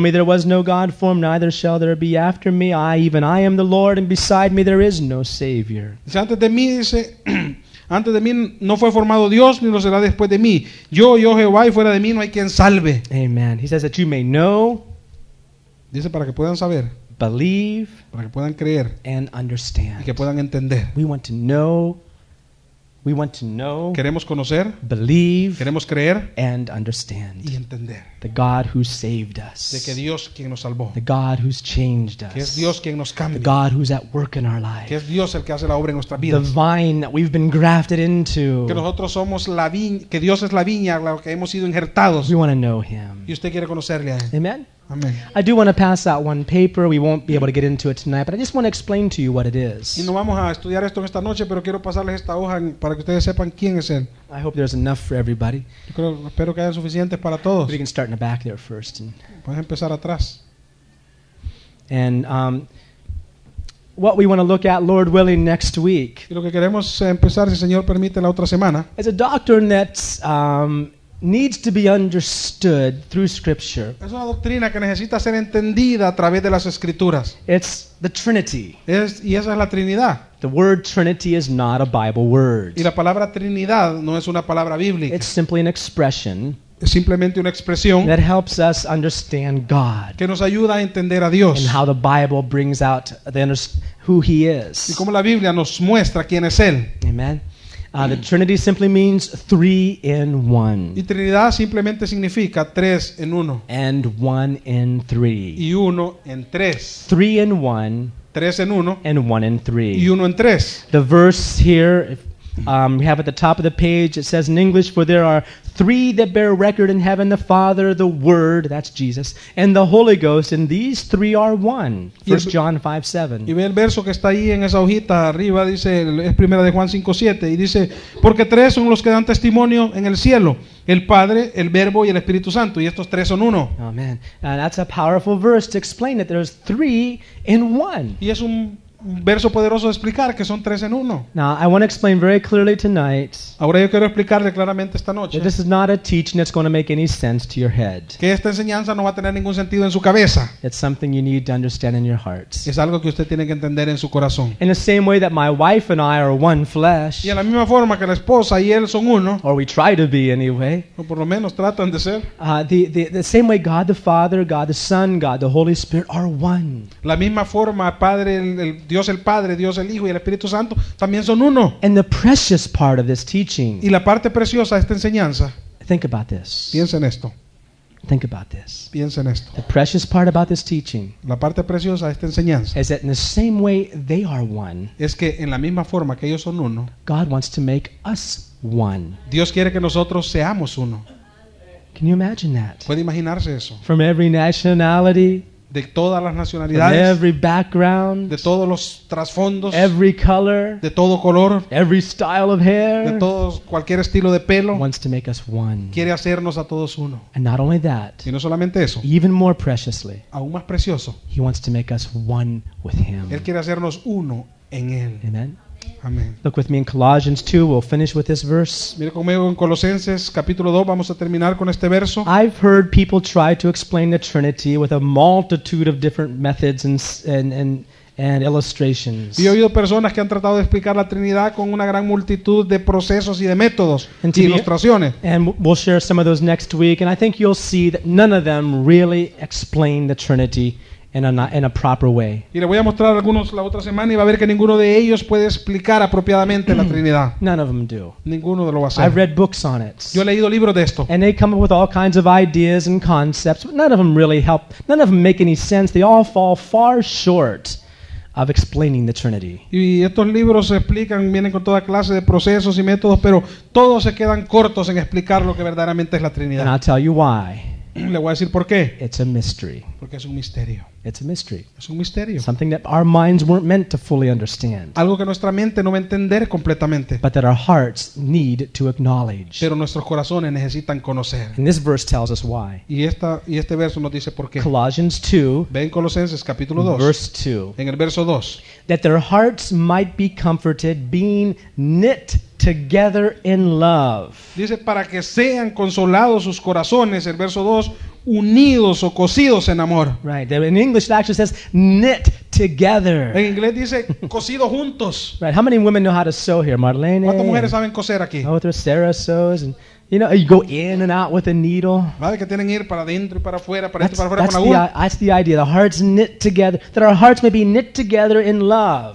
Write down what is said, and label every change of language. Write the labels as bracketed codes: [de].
[en] "Me there was no God formed, neither shall there be after me. I, even I, am the Lord, and beside me there is no Savior." [es] Antes de mí, dice, antes de mí no fue formado Dios, ni lo será después de mí. Yo Jehová, y fuera de mí no hay quien salve. [en] Amen. He says that you may know. [es] Dice para que puedan saber. [en] Believe. [es] Para que puedan creer. [en] And understand. [es] Y que puedan entender. [en] We want to know. We want to know, [es] queremos conocer, [en] believe, [es] queremos creer, [en] and understand [es] y entender [en] the God who saved us, [es] de que Dios quien nos salvó, [en] the God who's changed us, [es] que es Dios quien nos cambia, [en] the God who's at work in our lives, [es] que es Dios el que hace la obra en nuestras vidas, [en] the vine that we've been grafted into, [es] que nosotros somos la viña, que Dios es la viña a la que hemos sido injertados. [en] We want to know him. [es] Y usted quiere conocerle a él. [en] Amen. Amen. I do want to pass out one paper. We won't be able to get into it tonight, but I just want to explain to you what it is. [es] Y no vamos a estudiar esto esta noche, pero quiero pasarles esta hoja para que ustedes sepan quién es él. [en] I hope there's enough for everybody. [es] Yo creo, espero que haya suficientes para todos. [en] But you can start in the back there first. [es] Puedes empezar atrás. [en] And what we want to look at, Lord willing, next week. [es] Y lo que queremos empezar, si Señor permite, la otra semana. [en] It's a doctrine that's needs to be understood through Scripture. [es] Es una doctrina que necesita ser entendida a través de las Escrituras. [en] It's the Trinity. [es] Y esa es la Trinidad. [en] The word Trinity is not a Bible word. [es] Y la palabra Trinidad no es una palabra bíblica. [en] It's simply an expression. [es] Es simplemente una expresión [en] that helps us understand God. [es] Que nos ayuda a entender a Dios. [en] And how the Bible brings out the who He is. [es] Y cómo la Biblia nos muestra quién es Él. [en] Amen. The Trinity simply means three in one. [es] Y Trinidad simplemente significa tres en uno. [en] And one in three. [es] Y uno en tres. [en] Three in one. [es] Tres en uno. [en] And one in three. [es] Y uno en tres. [en] The verse here, we have at the top of the page, it says in English, "For there are three that bear record in heaven, the Father, the Word," that's Jesus, "and the Holy Ghost, and these three are one." 1 John 5:7. [es] Y ve el verso que está ahí en esa hojita arriba, dice, es primera de Juan 5:7, y dice, "Porque tres son los que dan testimonio en el cielo, el Padre, el Verbo y el Espíritu Santo, y estos tres son uno." [en] Amen. And that's a powerful verse to explain that there's three in one. [es] Y es un verso poderoso de explicar que son tres en uno. [en] Now, I want to explain very clearly tonight. [es] Ahora yo quiero explicarle claramente esta noche. [en] That this is not a teaching that's going to make any sense to your head. [es] Que esta enseñanza no va a tener ningún sentido en su cabeza. [en] It's something you need to understand in your heart. [es] Es algo que usted tiene que entender en su corazón. [en] In the same way that my wife and I are one flesh. [es] Y en la misma forma que la esposa y él son uno. [en] Or we try to be anyway. [es] O por lo menos tratan de ser. [en] The same way God the Father, God the Son, God the Holy Spirit are one. [es] La misma forma Padre el Dios el Padre, Dios el Hijo y el Espíritu Santo también son uno. [en] And the precious part of this teaching, [es] y la parte preciosa de esta enseñanza. [en] Think about this. [es] Piensa en esto. [en] Think about this. [es] Piensa en esto. [en] The precious part about this teaching, [es] la parte preciosa de esta enseñanza, [en] is that in the same way they are one, [es] es que en la misma forma que ellos son uno, [en] God wants to make us one. [es] Dios quiere que nosotros seamos uno. [en] Can you imagine that? [es] ¿Puede imaginarse eso? [en] From every nationality, [es] de todas las nacionalidades, [en] every background, [es] de todos los trasfondos, [en] every color, [es] de todo color, [en] every style of hair, [es] de todos, cualquier estilo de pelo, [en] wants to make us one. [es] Quiere hacernos a todos uno. [en] And not only that, [es] y no solamente eso, [en] even more preciously, [es] aún más precioso, [en] he wants to make us one with him. [es] Él quiere hacernos uno en él. [en] Amen. Amen. Look with me in Colossians 2. We'll finish with this verse. [es] Mire conmigo en Colosenses capítulo 2. Vamos a terminar con este verso. [en] I've heard people try to explain the Trinity with a multitude of different methods and illustrations. [es] Y he oído personas que han tratado de explicar la Trinidad con una gran multitud de procesos y de métodos y ilustraciones. [en] And we'll share some of those next week. And I think you'll see that none of them really explain the Trinity in a proper way. [es] Y le voy a mostrar algunos la otra semana y va a ver que ninguno de ellos puede explicar apropiadamente la Trinidad. [en] None of them do. [es] Ninguno de lo va a hacer. [en] I've read books on it. [es] Yo he leído libros de esto. [en] And they come up with all kinds of ideas and concepts, but none of them really help. None of them make any sense. They all fall far short of explaining the Trinity. [es] Y estos libros explican, vienen con toda clase de procesos y métodos, pero todos se quedan cortos en explicar lo que verdaderamente es la Trinidad. [en] And I'll tell you why. [es] Le voy a decir por qué. [en] It's a mystery. [es] Porque es un misterio. [en] It's a mystery. [es] Es un misterio. [en] Something that our minds weren't meant to fully understand. [es] Algo que nuestra mente no va a entender completamente. [en] But that our hearts need to acknowledge. [es] Pero nuestros corazones necesitan conocer. [en] And this verse tells us why. [es] Y este verso nos dice por qué. [en] Colossians 2. [es] Ven Colosenses capítulo 2. [en] Verse 2. [es] En el verso 2. [en] That their hearts might be comforted, being knit together in love. [es] Dice para que sean consolados sus corazones, el verso 2, unidos o cosidos en amor. [en] Right. In English it actually says knit together. [es] En inglés dice cosidos juntos. [en] Right. How many women know how to sew here? Marlene. [es] ¿Cuántas mujeres saben coser aquí? [en] Oh, there's Sarah sews and You know, you go in and out with a needle. [es] ¿Vale? Que tienen ir para dentro y para afuera, para dentro y para afuera con agujas. [en] That's the idea. The hearts knit together, that our hearts may be knit together in love.